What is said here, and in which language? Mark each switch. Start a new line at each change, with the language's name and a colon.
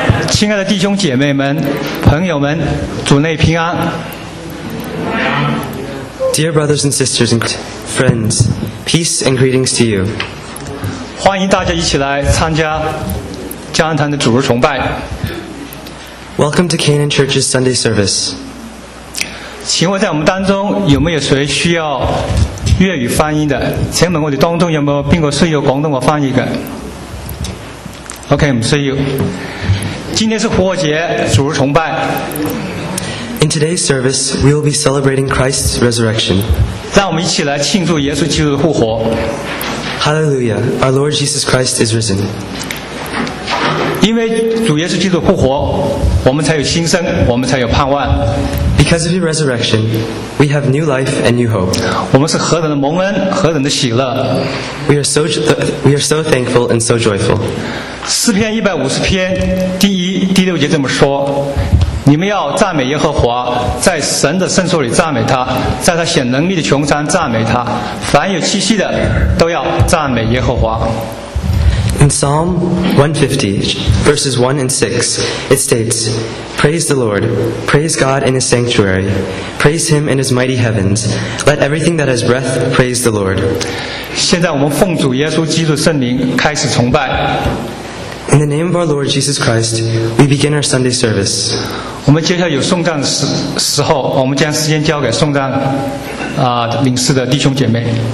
Chinese: 亲爱的弟兄姐妹们，朋友们，主内平安。
English: Dear brothers and sisters and friends, peace and greetings to you.
Chinese: 欢迎大家一起来参加加恩堂的主日崇拜。
English: Welcome to Canaan Church's Sunday service.
Chinese: 请问在我们当中有没有谁需要粤语翻译的？请问我们当中有没有并过需要广东话翻译的 ？OK， 不需要。今天是复活节，主日崇拜。
English: In today's service, we will be celebrating Christ's resurrection.
Chinese: 让我们一起来庆祝耶稣基督的复活。
English: Hallelujah! Our Lord Jesus Christ is risen.
Chinese: 因为主耶稣基督复活，我们才有新生，我们才有盼望。
English: Because of His resurrection, we have new life and new hope.
Chinese: 我们是何等的蒙恩，何等的喜乐。
English: We are so thankful and so joyful.
Chinese: 诗篇一百五十篇第一第六节这么说。你们要赞美耶和华，在神的圣所里赞美他，在他显能力的穹苍赞美他，凡有气息的都要赞美耶和华。
English: In Psalm 150 verses 1 and 6 it states, Praise the Lord, praise God in his sanctuary, praise him in his mighty heavens, let everything that has breath praise the Lord.
Chinese: 现在我们奉主耶稣基督圣名开始崇拜。
English: In the name of our Lord Jesus Christ, we begin our Sunday service.
Chinese: 我们接下来有颂赞的时候，我们将时间交给颂赞领事的弟兄姐妹。